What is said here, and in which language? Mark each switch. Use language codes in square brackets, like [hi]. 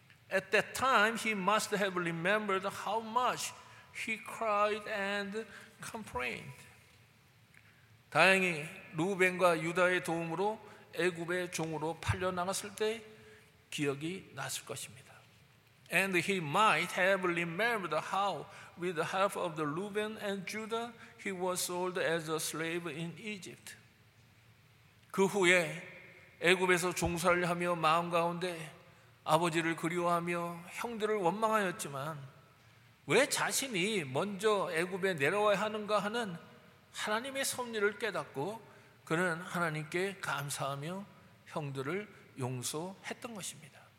[en] At that time, he must have remembered how much he cried and complained. [ko] 다행히 르우벤과 유다의 도움으로 애굽의 종으로 팔려 나갔을 때 기억이 났을 것입니다. [en] And he might have remembered how, with the help of the Reuben and Judah, he was sold as a slave in Egypt. [ko] 그 후에 애굽에서 종살이 하며 마음 가운데 아버지를 그리워하며 형들을 원망하였지만 왜 자신이 먼저 애굽에 내려와야 하는가 하는 하나님의 섭리를 깨닫고 그는 하나님께 감사하며 형들을 용서했던 것입니다.